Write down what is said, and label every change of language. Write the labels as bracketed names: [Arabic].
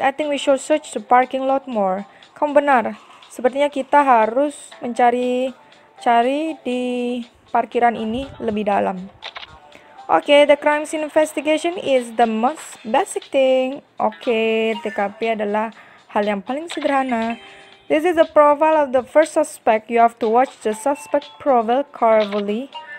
[English] I think we should search the parking lot more. [Indonesian] Kamu benar. Sepertinya kita harus mencari-cari di parkiran ini lebih dalam. [English] Okay, the crime scene investigation is the most basic thing. [Indonesian] Okay, TKP adalah hal yang paling sederhana. [English] This is the profile of the first suspect. You have to watch the suspect profile carefully.